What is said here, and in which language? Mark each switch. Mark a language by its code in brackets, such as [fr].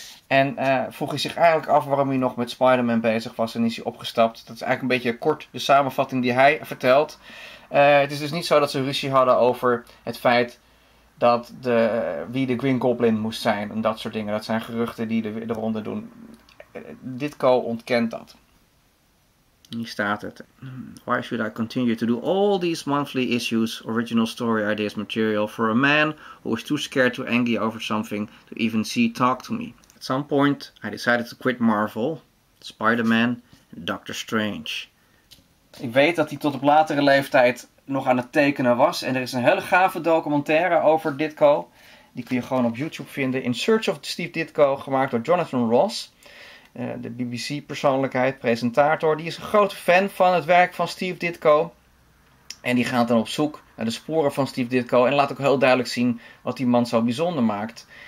[nl] En vroeg hij zich eigenlijk af waarom hij nog met Spider-Man bezig was en is hij opgestapt. Dat is eigenlijk een beetje kort de samenvatting die hij vertelt. Het is dus niet zo dat ze ruzie hadden over het feit dat wie de Green Goblin moest zijn en dat soort dingen. Dat zijn geruchten die de ronde doen. Ditko ontkent dat. Hier staat het. [en] Why should I continue to do all these monthly issues, original story ideas, material for a man who is too scared to angry over something to even see talk to me? At some point, I decided to quit Marvel, Spider-Man en Doctor Strange. [nl] Ik weet dat hij tot op latere leeftijd nog aan het tekenen was. En er is een hele gave documentaire over Ditko. Die kun je gewoon op YouTube vinden. In Search of Steve Ditko, gemaakt door Jonathan Ross. De BBC-persoonlijkheid, presentator. Die is een grote fan van het werk van Steve Ditko. En die gaat dan op zoek naar de sporen van Steve Ditko. En laat ook heel duidelijk zien wat die man zo bijzonder maakt.